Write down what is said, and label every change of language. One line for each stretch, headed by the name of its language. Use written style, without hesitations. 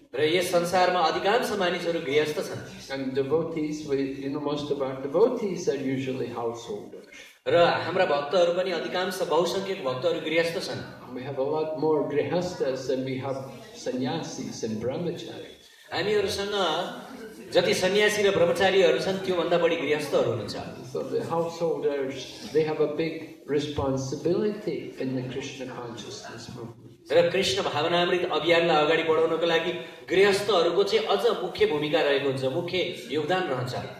Nepali: र यस संसारमा अधिकांश मानिसहरु गृहस्थ छन्
English: and devotees with you know most about devotees are usually householders
Nepali: र हाम्रा भक्तहरु पनि अधिकांश बहुसंख्यक भक्तहरु गृहस्थ छन्
English: we have a lot more grihasthas than we have sannyasis and brahmacharis
Nepali: हामीहरुसँग जति सन्यासी र ब्रह्मचारीहरू छन् त्यो भन्दा बढी गृहस्थहरू हुनुहुन्छ
English: so the householders they have a big responsibility in the krishna consciousness movement
Nepali: र कृष्ण भावनामृत अभियानलाई अगाडि बढाउनको लागि गृहस्थहरूको चाहिँ अझ मुख्य भूमिका रहेको हुन्छ मुख्य योगदान रहन्छ